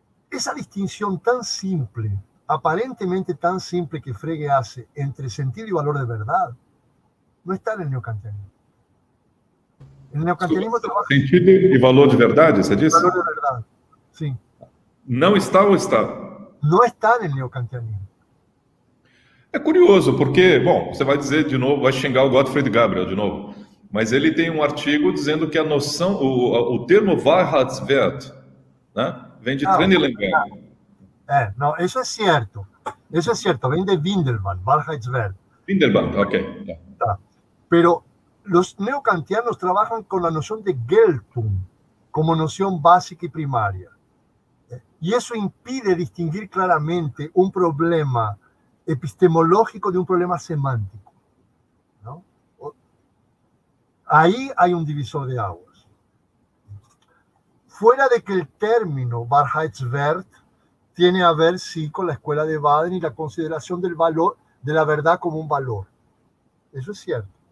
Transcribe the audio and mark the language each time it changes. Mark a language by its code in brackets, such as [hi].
[es] Esa distinción tan simple, aparentemente tan simple que Frege hace entre sentido y valor de verdad, no está en el neocantianismo. El neocantianismo trabaja... ¿Sentido y valor de verdad, se dice? Valor de verdad, sí. [pt] Não está ou está? Não está no neocantianismo. É curioso, porque, bom, você vai dizer de novo, vai xingar o Gottfried Gabriel de novo, mas ele tem um artigo dizendo que a noção, o termo Wahrheitswert, né, vem de Trennelenberg. Não, isso é certo. Isso é certo, vem de Windelmann, Wahrheitswert. Windelmann, ok. Tá. Pero os neocantianos trabalham com a noção de Geltung como noção básica e primária. [es] Y eso impide distinguir claramente un problema epistemológico de un problema semántico, ¿no? Ahí hay un divisor de aguas. Fuera de que el término Wahrheitswert tiene a ver, sí, con la escuela de Baden y la consideración del valor, de la verdad como un valor. Eso es cierto.